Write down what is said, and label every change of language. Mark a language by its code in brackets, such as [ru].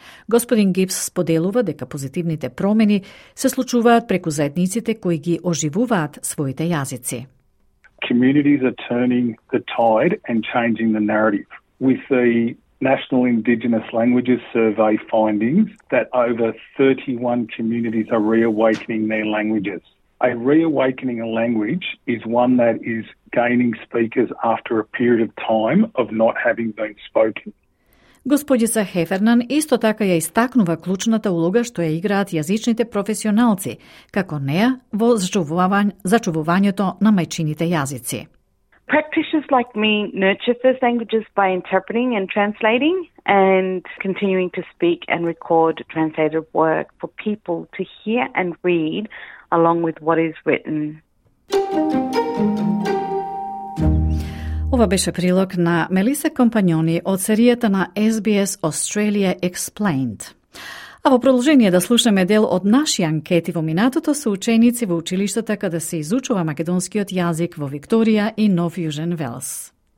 [mk] Господин Гипс споделува дека позитивните промени се случуваат преку заедниците кои ги оживуваат своите јазици. [en] Communities are turning the tide and changing the narrative. With the National Indigenous Languages Survey findings that over 31 communities are reawakening their languages. A reawakening a language is one that is gaining speakers after a period of time of not having been spoken. [mk] Господица Хефернан исто така ја истакнува клучната улога што ја играат јазичните професионалци, како неа во зачувувањето на мајчините јазици. [en] Practitioners like me nurture first languages by interpreting and translating and continuing to speak and record translated work for people to hear and read along with what is written. [mk] Ова беше прилог на Мелиса Компањони од серијата на SBS Australia Explained. А во продолжение да слушаме дел од наши анкети во минатото со ученици во училиштата каде се изучува македонскиот јазик во Викторија и Нов Јужен Велс.